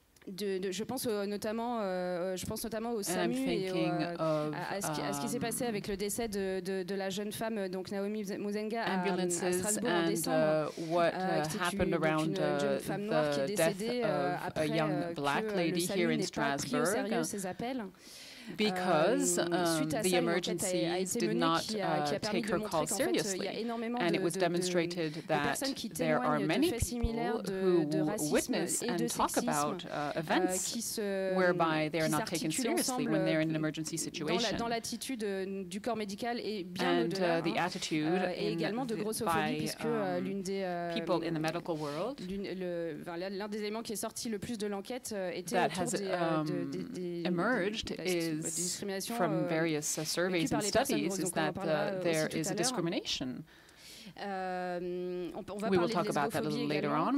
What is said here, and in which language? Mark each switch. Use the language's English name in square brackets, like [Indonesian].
[French] Je pense notamment au SAMU et à ce qui s'est passé avec le décès de la jeune femme, donc Naomi Muzenga, à Strasbourg en décembre, une femme noire qui est décédée après que le SAMU n'ait pas pris au sérieux ses appels. [English] Because the emergency did not take her call seriously. And it was demonstrated that there are many people who witness and talk about events whereby they are not taken seriously when they're in an emergency situation. [French] Dans l'attitude du corps médical et bien au-delà, et également de grossophobie, puisque l'une des [English] people in the medical world, [French] l'un des éléments qui est sorti le plus de l'enquête était autour des [English] emerged is from various surveys and studies is that there is a discrimination. We will talk about that a little later on.